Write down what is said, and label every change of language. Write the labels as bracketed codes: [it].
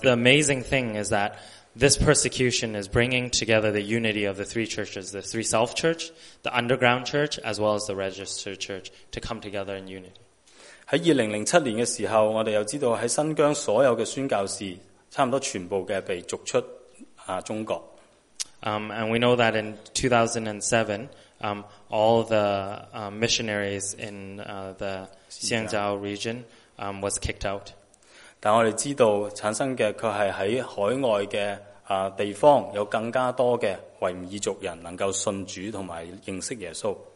[en] the amazing thing is that this persecution is bringing together the unity of the three churches, the three self church, the underground church, as well as the registered church to come together in unity. [yue] 喺2007年嘅時候，我哋又知道喺新疆所有嘅宣教士差唔多全部嘅被逐出中國。 [en] And we know that in 2007, all the missionaries in the Xiangzhou region was kicked out. [yue] 但我哋知道，產生嘅佢係喺海外嘅地方，有更加多嘅維吾爾族人能夠信主同埋認識耶穌。